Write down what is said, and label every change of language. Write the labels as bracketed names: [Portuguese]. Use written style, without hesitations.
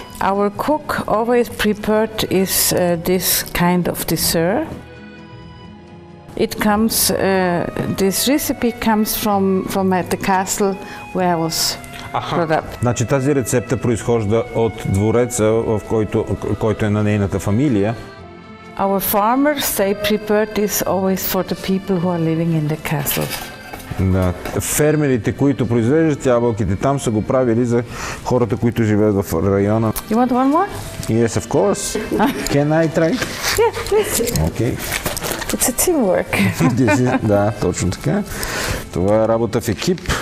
[English] Our cook always prepared is this kind of dessert. It comes. This recipe comes from at the castle where I was. [Bulgarian] Значи тази рецепта произхожда от двореца, в който е на нейната фамилия. [English] Our farmers say prepare this always for the people who are living in the castle. [Bulgarian] Да, фермерите, които произвеждат ябълките там, са го правили за хората, които живеят в района. [English] You want one more? Yes, of course. Can I try? Yes, please. Okay. It's a teamwork. [Bulgarian] Да, точно така. Това е работа в екип.